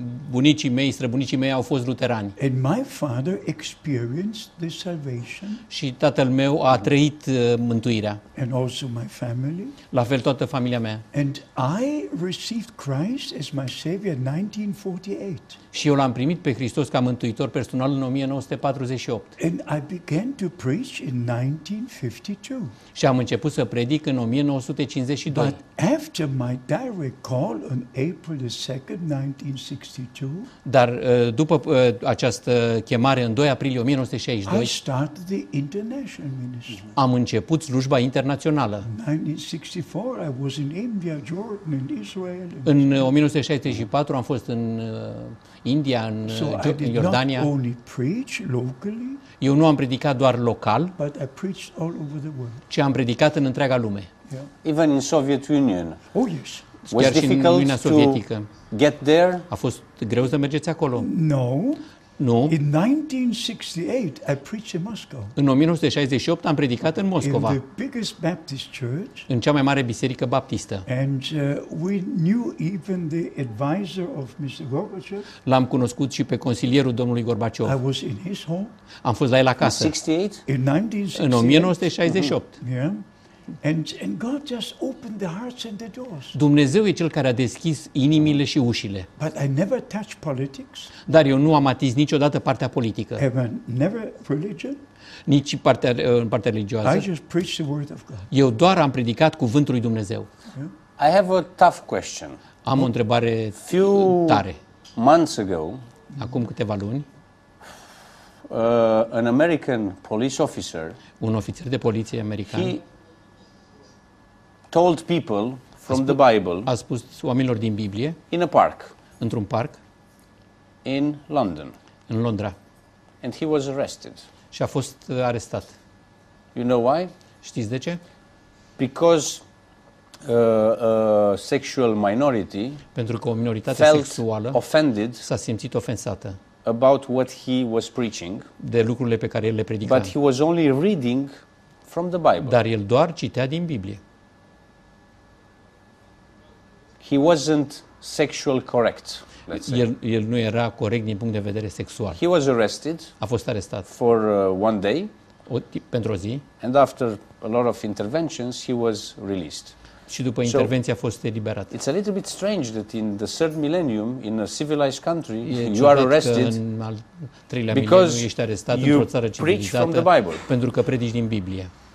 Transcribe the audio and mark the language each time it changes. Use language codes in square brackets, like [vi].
[ro] bunicii mei, străbunicii mei au fost luterani. [en] And my father experienced the salvation. [ro] Și tatăl meu a trăit mântuirea. [en] And also my family. [ro] La fel toată familia mea. [en] And I received Christ as my savior in 1948. [ro] Și eu l-am primit pe Hristos ca mântuitor personal în 1948. [en] And I began to preach in 1952. [ro] Și am început să predic în 1952. [en] But after my direct call on April the 2nd, 1962, [ro] dar după această chemare în 2 aprilie 1962, [en] I started the international ministry. [ro] Am început slujba internațională. [en] In 1964, I was in India, Jordan, and Israel. [ro] În 1964 am fost în India, în Iordania. [en] So I did not only preach locally, [ro] eu nu am predicat doar local, [en] but I preached all over the world. [ro] Ci am predicat în întreaga lume. [en] Yeah. Even in Soviet Union. Oh yes. Was [ro] chiar [en] difficult [ro] și în Uniunea Sovietică. [en] Get there? [ro] A fost greu să mergeți acolo? [en] No. [ro] Nu. [en] In 1968 I preached in Moscow. [ro] În 1968 am predicat în Moscova. [en] In the biggest Baptist church. [ro] În cea mai mare biserică baptistă. [en] And we knew even the advisor of Mr. Gorbachev. [ro] L-am cunoscut și pe consilierul domnului Gorbachev. [en] I was in his home. [ro] Am fost la el acasă. [en] In 1968. [ro] În 1968. [en] Uh-huh. Yeah. And God just opened the hearts and the doors. [ro] Dumnezeu e cel care a deschis inimile și ușile. [en] But I never touched politics. [ro] Dar eu nu am atins niciodată partea politică. [en] Even never religion. [ro] Nici partea religioasă. [en] I just preached the word of God. [ro] Eu doar am predicat cuvântul lui Dumnezeu. [en] I have a tough question. [ro] Am o întrebare [en] few [ro] tare. [en] Months ago, [ro] acum câteva luni, [en] an American police officer, [ro] un ofițer de poliție american, [en] told people from the Bible. [ro] A spus oamenilor din Biblie. [en] In a park. [ro] Într-un parc. [en] In London. [ro] În Londra. [en] And he was arrested. [ro] Și a fost arestat. [en] You know why? [ro] Știți de ce? [en] Because a sexual minority. [ro] Pentru că o minoritate sexuală. [en] Offended. [ro] S-a simțit ofensată. [en] About what he was preaching. [ro] De lucrurile pe care el le predica. [en] But he was only reading from the Bible. [ro] Dar el doar citea din Biblie. [en] He wasn't sexual correct, let's say. [ro] El nu era corect din punct de vedere sexual. [en] He was arrested. [ro] A fost arestat. [en] For one day. [ro] Pentru o zi. [en] And after a lot of interventions, he was released. [ro] Și după intervenție a fost eliberat. [en] It's a little bit strange that in the third millennium, in a civilized country, you are arrested. [ro] În al treilea mileniu ești arestat într-o țară civilizată. Pentru că predici din Biblie.